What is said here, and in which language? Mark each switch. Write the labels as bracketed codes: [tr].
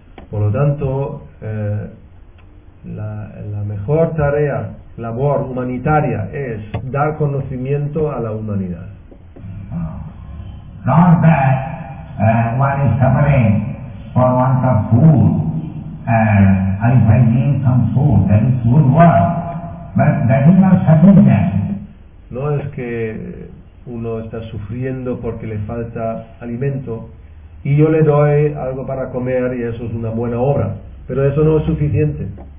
[es] Por lo tanto, la mejor tarea, labor humanitaria, es dar conocimiento a la humanidad. [en] Not that one is suffering for want of food, and I'm bringing some food, that is good work. But that is not sufficient. [es] No es que uno está sufriendo porque le falta alimento y yo le doy algo para comer y eso es una buena obra, pero eso no es suficiente.